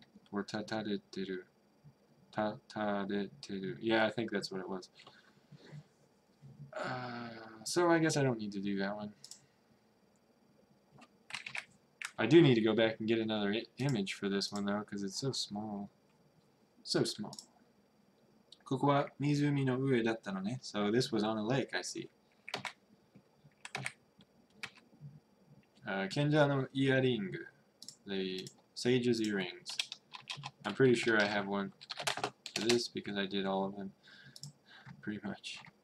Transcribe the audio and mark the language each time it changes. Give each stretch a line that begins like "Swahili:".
Japanese: Or tatareteru. Tatareteru.
English: Yeah, I think that's what it was. So I guess I don't need to do that one. I do need to go back and get another image for this one, though, because it's so small. So small.
Japanese: ここは湖の上だったのね。
English: So this was on a lake, I see.
Japanese: Kenja のイヤリング。
English: The sage's earrings. I'm pretty sure I have one for this because I did all of them. Pretty much.